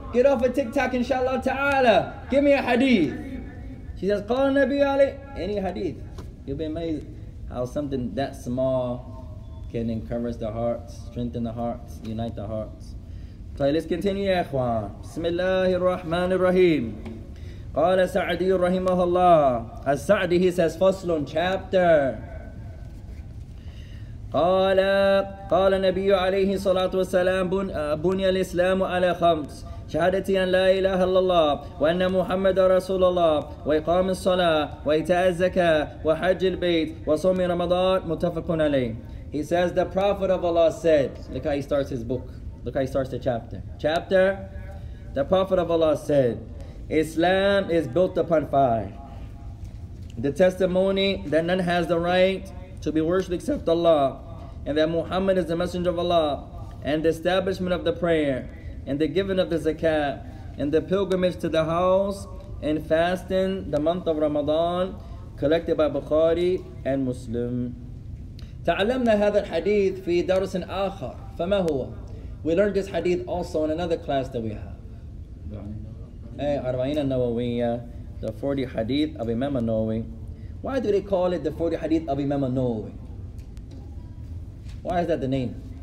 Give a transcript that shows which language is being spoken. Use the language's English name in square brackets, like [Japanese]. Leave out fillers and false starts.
[English] Get off of TikTok, inshallah ta'ala. Give me a hadith. She says, call Nabi Ali. Any hadith. You'll be amazed how something that small can encourage the hearts, strengthen the hearts, unite the hearts. So let's continue, ikhwan. Bismillahirrahmanirrahim. [Arabic] قال سعدي رحمه الله السعدي [English] he says [Arabic] فصل chapter قال النبي عليه الصلاة والسلام بني الإسلام على خمس شهادة أن لا إله إلا الله وأن محمد رسول الله وإقام الصلاة وإيتاء الزكاة وحج البيت وصوم رمضان متفق عليه [English] he says the prophet of Allah said look how he starts his book look how he starts the chapter the prophet of Allah said Islam is built upon five. The testimony that none has the right to be worshipped except Allah, and that Muhammad is the messenger of Allah, and the establishment of the prayer, and the giving of the zakat, and the pilgrimage to the house, and fasting the month of Ramadan, collected by Bukhari and Muslim. [Arabic] تعلمنا هذا الحديث في درس آخر. فما هو? [English] We learned this hadith also in another class that we have. Arba'in al-Nawawiyyah, the 40 hadith of Imam al-Nawawi. Why do they call it the 40 hadith of Imam al-Nawawi? Why is that the name?